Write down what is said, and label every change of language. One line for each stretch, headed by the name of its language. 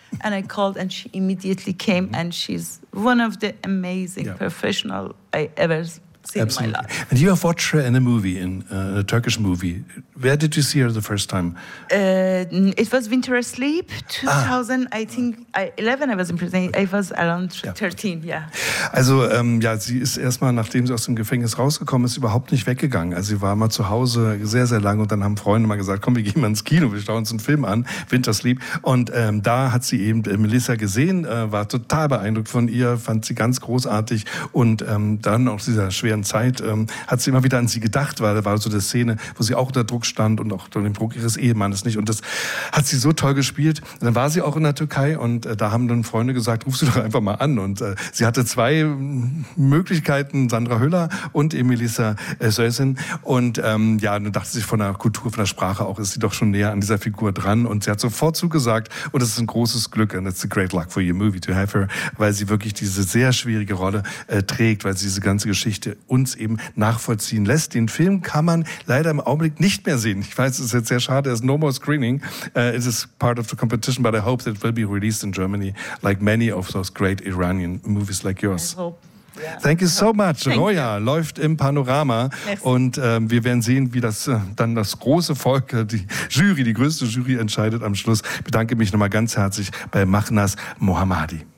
English: And I called and she immediately came and she's one of the amazing professional I ever seen in my life. And you have watched her in a movie, in a Turkish movie. Where did you see her the first time? It was Winter Asleep, 2000, I think, 11, I was in prison. I was around 13,
German: Also, ja, sie ist erstmal, nachdem sie aus dem Gefängnis rausgekommen ist, überhaupt nicht weggegangen. Also sie war mal zu Hause sehr, sehr lange und dann haben Freunde mal gesagt, komm, wir gehen mal ins Kino, wir schauen uns einen Film an, Wintersleep. Und da hat sie eben Melissa gesehen, war total beeindruckt von ihr, fand sie ganz großartig. Und dann auch dieser schweren Zeit hat sie immer wieder an sie gedacht, weil da war so eine Szene, wo sie auch unter Druck stand und auch unter dem Druck ihres Ehemannes nicht. Und das hat sie so toll gespielt. Und dann war sie auch in der Türkei und da haben dann Freunde gesagt, ruf sie doch einfach mal an. Und sie hatte zwei Möglichkeiten, Sandra Hüller und Melissa Sösen. Und ja, dann dachte sie, von der Kultur, von der Sprache auch, ist sie doch schon näher an dieser Figur dran. Und sie hat sofort zugesagt, und das ist ein großes Glück,
English: and it's a great luck for your movie to have her,
German: weil sie wirklich diese sehr schwierige Rolle trägt, weil sie diese ganze Geschichte uns eben nachvollziehen lässt. Den Film kann man leider im Augenblick nicht mehr sehen. Ich weiß, es ist jetzt sehr schade, es ist
English: no more screening. It is part of the competition, but I hope that it will be released in Germany, like many of those great Iranian movies like yours. I hope. Thank you so much.
German: Roya läuft im Panorama. Und wir werden sehen, wie das dann das große Volk, die Jury, die größte Jury entscheidet am Schluss. Ich bedanke mich nochmal ganz herzlich bei Mahnaz Mohammadi.